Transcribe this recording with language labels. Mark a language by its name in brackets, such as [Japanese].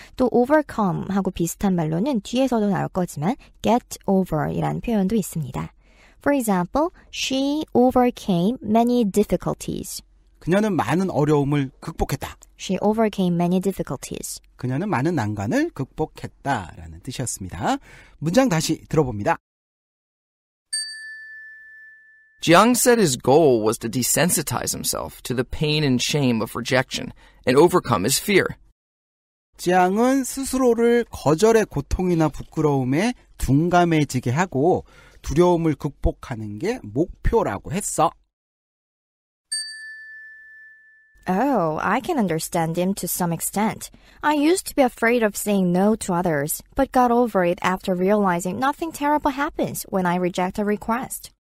[Korean] 또 overcome하고 비슷한 말로는 뒤에서도 나올 거지만 get over이란 표현도 있습니다. [English] For example, she overcame many difficulties. [Korean] 그녀는 많은 어려움을 극복했다. [English] She overcame many difficulties. [Korean] 그녀는 많은 난관을 극복했다라는 뜻이었습니다. 문장 다시 들어봅니다. [English] Jiang said his goal was to desensitize himself to the pain and shame of rejection and overcome his fear. [Korean] Jiang은 스스로를 거절의 고통이나 부끄러움에 둔감해지게 하고 두려움을 극복하는 게 목표라고 했어. [English] Oh, I can understand him to some extent. I used to be afraid of saying no to others, but got over it after realizing nothing terrible happens when I reject a request.